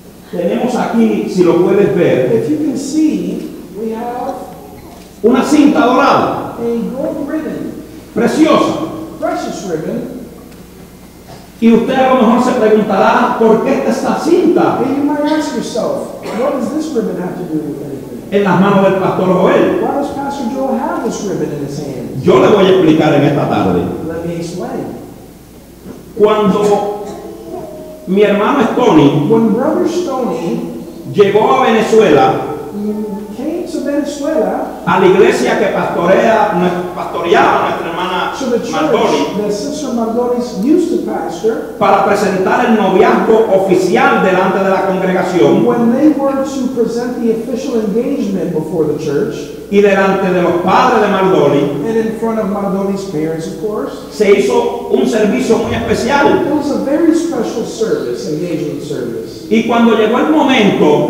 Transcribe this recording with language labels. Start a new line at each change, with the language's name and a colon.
Spanish: Tenemos aquí, si lo puedes ver.
English: If you can see, we have.
Spanish: Una cinta dorada.
English: A gold ribbon.
Spanish: Preciosa.
English: Precious ribbon.
Spanish: Y usted a lo mejor se preguntará, ¿por qué está esta cinta?
English: And you might ask yourself, what does this ribbon have to do with anything?
Spanish: En las manos del Pastor Joel.
English: Why does Pastor Joel have this ribbon in his hands?
Spanish: Yo le voy a explicar en esta tarde.
English: Let me explain.
Spanish: Cuando mi hermano Stoney,
English: when Brother Stoney
Spanish: llegó a Venezuela,
English: Venezuela,
Spanish: a la iglesia que pastoreaba nuestra hermana Mardolly,
English: the sister Mardolly's used to pastor,
Spanish: para presentar el noviazgo oficial delante de la congregación,
English: when they were to present the official engagement before the church,
Spanish: y delante de los padres de Mardolly,
English: and in front of Mardolly's parents, of course,
Spanish: se hizo un servicio muy especial.
English: It was a very special service, engagement service.
Spanish: Y cuando llegó el momento,